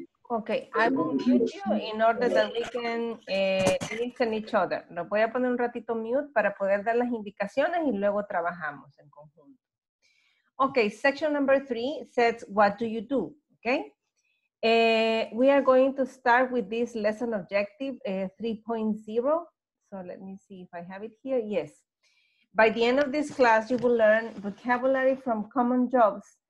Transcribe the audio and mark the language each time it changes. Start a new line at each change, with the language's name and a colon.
English: Okay, I will mute you in order that we can listen each other.
Spanish: Lo voy a poner un ratito mute para poder dar las indicaciones y luego trabajamos en conjunto.
English: Okay, section number 3 says, what do you do? Okay. We are going to start with this lesson objective 3.0. So let me see if I have it here. Yes. By the end of this class, you will learn vocabulary from common jobs.